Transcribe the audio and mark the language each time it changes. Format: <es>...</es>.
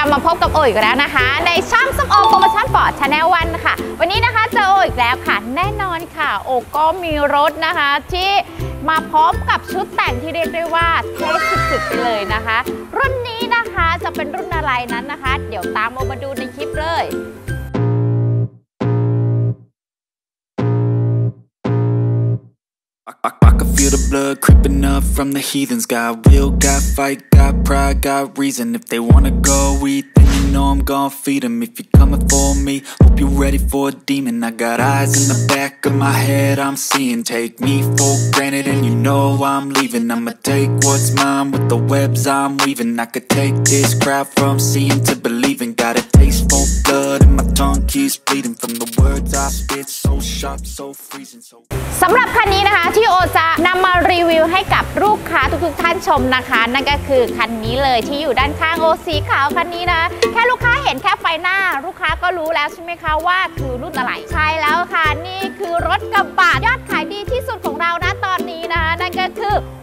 <th>พบกับโออีกแล้วนะคะในช่องส้มโอโปรโมชั่นฟอร์ดชาแนลวันค่ะวันนี้นะคะเจอโออีกแล้วค่ะแน่นอนค่ะโอก็มีรถนะคะที่มาพร้อมกับชุดแต่งที่เรียกได้ว่าเท่สุดๆไปเลยนะคะรุ่นนี้นะคะจะเป็นรุ่นอะไรนั้นนะคะเดี๋ยวตามโอมาดูในคลิปเลย</th> <en>Feel the blood creeping up from the heathens. Got will, got fight, got pride, got reason. If they wanna go eat, then you know I'm gonna feed them. If you're coming for me, hope you're ready for a demon. I got eyes in the back of my head, I'm seeing. Take me for granted and you know I'm leaving. I'ma take what's mine with the webs I'm weaving. I could take this crowd from seeing to believing. Got a taste for blood and my tongue keeps bleeding from the words I spit. So sharp, so freezing.</en> <th>So สำหรับคันนี้นะคะที่โอซานำมารีวิวให้กับลูกค้าทุกๆท่านชมนะคะนั่นก็คือคันนี้เลยที่อยู่ด้านข้างโอสีขาวคันนี้นะแค่ลูกค้าเห็นแค่ไฟหน้าลูกค้าก็รู้แล้วใช่ไหมคะว่าคือรุ่นอะไรใช่แล้วค่ะนี่คือรถกระบะยอดขายดีที่สุดของเรานะตอนนี้นะนั่นก็คือ</th>